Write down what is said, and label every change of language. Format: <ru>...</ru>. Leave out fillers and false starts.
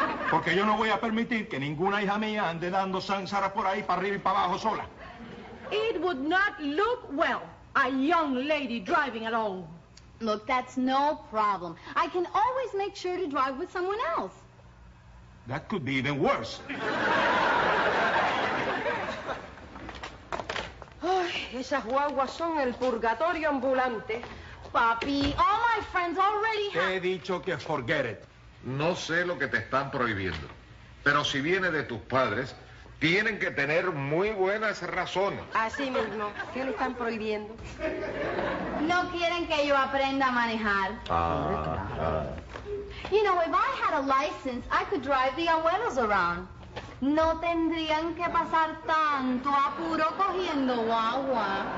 <es>Porque yo no voy a permitir que ninguna hija mía ande dando zanzara por ahí para arriba y para abajo sola.</es> <en>It would not look well, a young lady driving alone. Look, that's no problem. I can always make sure to drive with someone else. That could be even worse.</en> <es>Ay, esas guaguas son el purgatorio ambulante.</es> <en>Papi, all my friends already have...</en> <es>Te he dicho que</es> <en>forget it.</en> <es>No sé lo que te están prohibiendo. Pero si viene de tus padres, tienen que tener muy buenas razones. Así mismo. ¿Qué le están prohibiendo? No quieren que yo aprenda a manejar. Ah.</es> <en>You know, if I had a license, I could drive the abuelos around.</en> <es>No tendrían que pasar tanto apuro cogiendo guagua.</es>